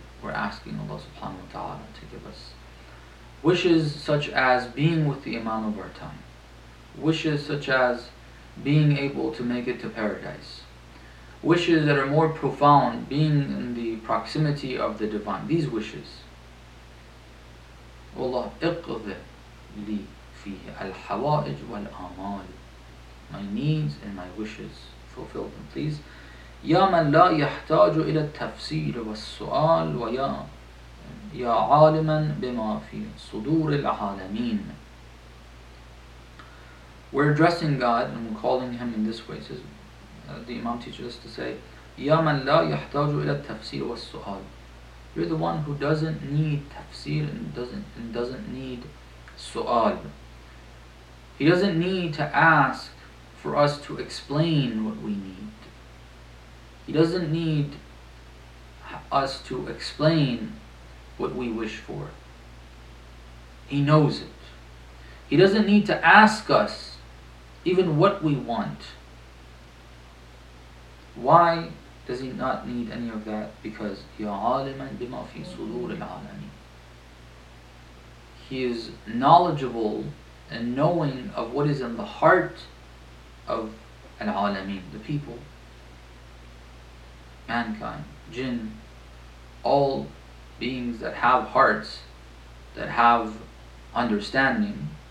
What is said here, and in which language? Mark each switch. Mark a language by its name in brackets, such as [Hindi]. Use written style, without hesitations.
[English] We're asking Allah subhanahu wa ta'ala to give us wishes such as being with the Imam of our time, wishes such as being able to make it to paradise, wishes that are more profound, being in the proximity of the divine. These wishes. [Arabic] Allah اقضي لي فيه الحوائج والأعمال. [English] My needs and my wishes, fulfill them, please. [Arabic] يا من لا يحتاج إلى التفسير والسؤال ويا يا عالما بما في صدور العالمين. [English] We're addressing God and we're calling Him in this way. Says, the Imam teaches us to say, [Arabic] يا من لا يحتاج إلى التفسير والسؤال. [English] You're the one who doesn't need tafsir and doesn't need su'al. He doesn't need to ask for us to explain what we need. He doesn't need us to explain what we wish for. He knows it. He doesn't need to ask us even what we want. Why does he not need any of that? Because [Arabic] يَا عَالِمًا بِمَا فِي صُدُورِ الْعَالَمِينَ. [English] He is knowledgeable and knowing of what is in the heart of al-alamin, the people, mankind, jinn, all beings that have hearts, that have understanding.